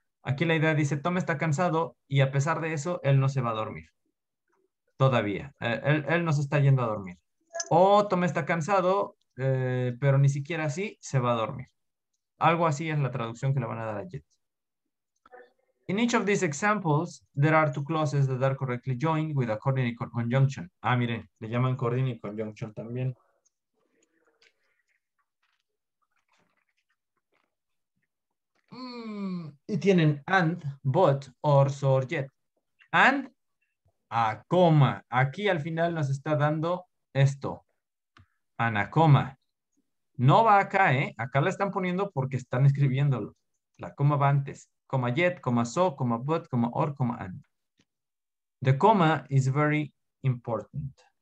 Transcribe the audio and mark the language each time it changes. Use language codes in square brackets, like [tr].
[es] Aquí la idea dice, Tom está cansado y a pesar de eso, él no se va a dormir. Todavía. Él no se está yendo a dormir. Tom está cansado, pero ni siquiera así se va a dormir. Algo así es la traducción que le van a dar a yet. [en] In each of these examples, there are two clauses that are correctly joined with a coordinate conjunction. [es] Ah, miren, le llaman coordinate conjunction también. Y tienen and, but, or, so, or yet. And, a coma. Aquí al final nos está dando esto. Anacoma. No va acá, ¿eh? Acá la están poniendo porque están escribiéndolo. La coma va antes. Coma yet, coma so, coma but, coma or, coma and. [en] The coma is very important.